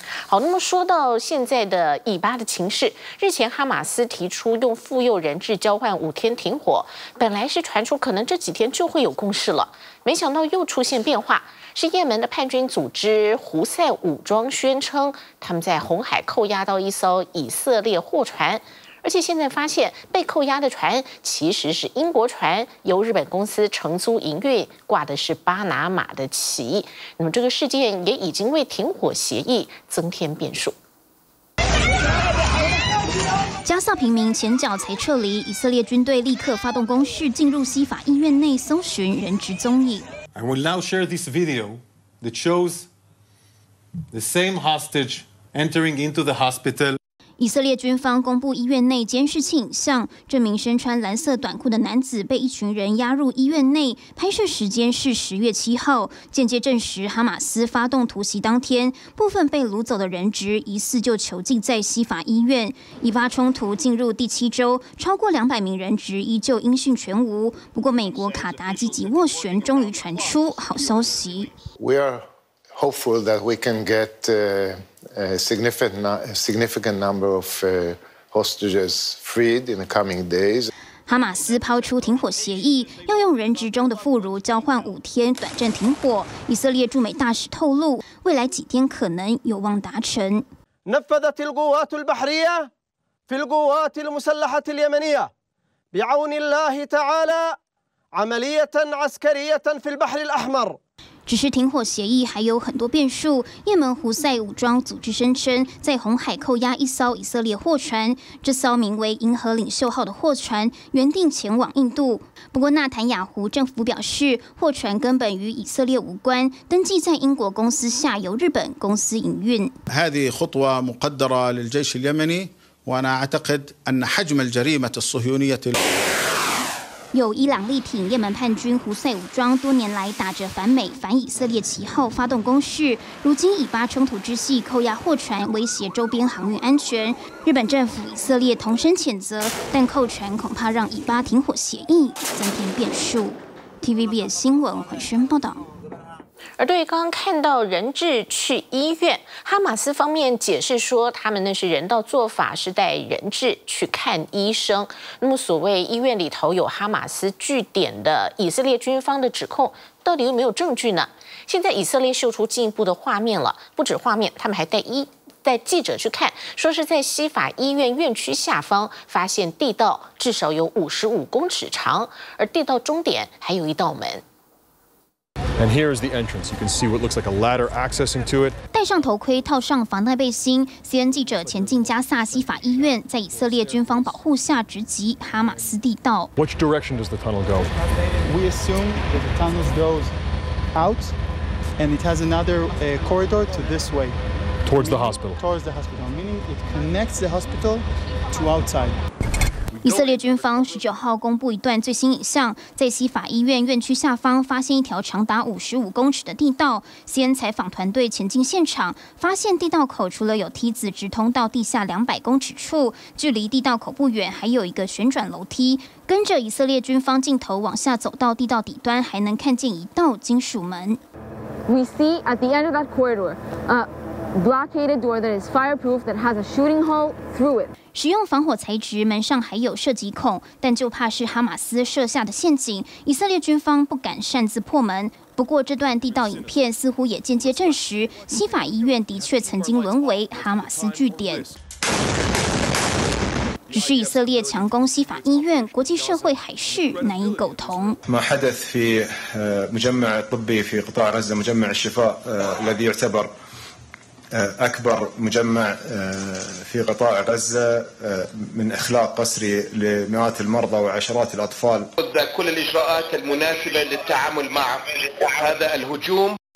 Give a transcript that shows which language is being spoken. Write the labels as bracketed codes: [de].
[zh] 好，那么说到现在的以巴的情势，日前哈马斯提出用妇幼人质交换五天停火，本来是传出可能这几天就会有共识了，没想到又出现变化，是也门的叛军组织胡塞武装宣称他们在红海扣押到一艘以色列货船，而且现在发现被扣押的船其实是英国船，由日本公司承租营运，挂的是巴拿马的旗。那么这个事件也已经为停火协议增添变数。加萨平民前脚才撤离，以色列军队立刻发动攻势，进入西法医院内搜寻人质踪影。 [en] I will now share this video that shows the same hostage entering into the hospital. [zh] 以色列军方公布医院内监视器影像，这名身穿蓝色短裤的男子被一群人押入医院内，拍摄时间是10月7号，间接证实哈马斯发动突袭当天，部分被掳走的人质疑似就囚禁在西法医院。以巴冲突进入第7周，超过200名人质依旧音讯全无。不过，美国卡达积极斡旋，终于传出好消息。 [en] We are hopeful that we can get. A significant number of hostages freed in the coming days. [zh] 哈马斯抛出停火协议，要用人质中的妇孺交换五天短暂停火。以色列驻美大使透露，未来几天可能有望达成。 [ar] نفذت القوات البحرية في القوات المسلحة اليمنية بعون الله تعالى عملية عسكرية في البحر الأحمر. [zh] 只是停火协议还有很多变数，也门胡塞武装组织声称在红海扣押一艘以色列货船，这艘名为银河领袖号的货船原定前往印度，不过纳坦雅胡政府表示货船根本与以色列无关，登记在英国公司下由日本公司营运。 [ar] هذه خطوة مقدرة للجيش اليمني وأنا أعتقد أن حجم الجريمة الصهيونية [zh] 有伊朗力挺也门叛军胡塞武装，多年来打着反美反以色列旗号发动攻势，如今以巴冲突之际扣押货船，威胁周边航运安全，日本政府以色列同声谴责，但扣船恐怕让以巴停火协议增添变数。 TVBS 新闻环宣报道。而对于刚刚看到人质去医院，哈马斯方面解释说他们那是人道做法，是带人质去看医生。那么所谓医院里头有哈马斯据点的以色列军方的指控，到底有没有证据呢？现在以色列秀出进一步的画面了，不止画面，他们还带记者去看，说是在西法医院院区下方发现地道至少有55公尺长，而地道终点还有一道门。 [en] And here is the entrance. You can see what looks like a ladder accessing to it. [zh] 戴上头盔，套上防弹背心 ，CNN 记者前进加萨西法医院，在以色列军方保护下直击哈马斯地道。 [en] Which direction does the tunnel go? We assume that the tunnel goes out, and it has another corridor to this way. Towards the hospital. Towards the hospital, meaning it connects the hospital to outside. [zh] 以色列军方19号公布一段最新影像，在西法医院院区下方发现一条长达55公尺的地道。 CNN采访团队前进现场，发现地道口除了有梯子直通到地下200公尺处，距离地道口不远还有一个旋转楼梯。跟着以色列军方镜头往下走到地道底端，还能看见一道金属门。 [en] We see at the end of that corridor, blockaded door that is fireproof that has a shooting hole through it. [zh] 使用防火材质，门上还有射击孔，但就怕是哈马斯设下的陷阱，以色列军方不敢擅自破门。不过这段地道影片似乎也间接证实，西法医院的确曾经沦为哈马斯据点。只是以色列强攻西法医院，国际社会还是难以苟同。 [ar] ما حدث في مجمع طبي في قطاع غزة مجمع الشفاء الذي يعتبرأكبر مجمع في قطاع غزة من إخلاق قسري لمئات المرضى وعشرات الأطفال. أخذ كل الإجراءات المناسبة للتعامل مع هذا الهجوم.